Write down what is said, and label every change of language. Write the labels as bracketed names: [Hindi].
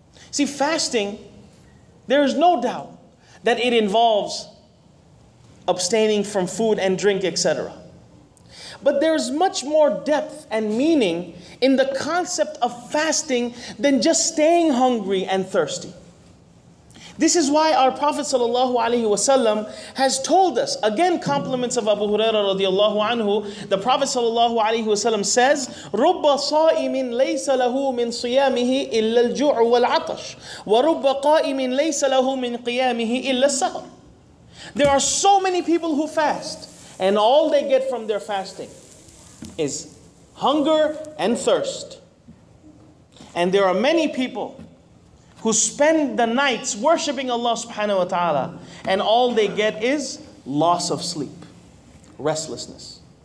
[English] See, fasting, there is no doubt that it involves abstaining from food and drink, etc. But there is much more depth and meaning in the concept of fasting than just staying hungry and thirsty. This is why our Prophet ﷺ has told us, again, compliments of Abu Huraira radiallahu anhu, the Prophet ﷺ says, [Arabic] رُبَّ صَائِمٍ لَيْسَ لَهُ مِنْ صِيَامِهِ إِلَّا الْجُعُ وَالْعَطَشِ وَرُبَّ قَائِمٍ لَيْسَ لَهُ مِنْ قِيَامِهِ إِلَّا السَّهَرِ. [English] There are so many people who fast, and all they get from their fasting is hunger and thirst. And there are many people who spend the nights worshiping Allah subhanahu wa ta'ala, and all they get is loss of sleep, restlessness.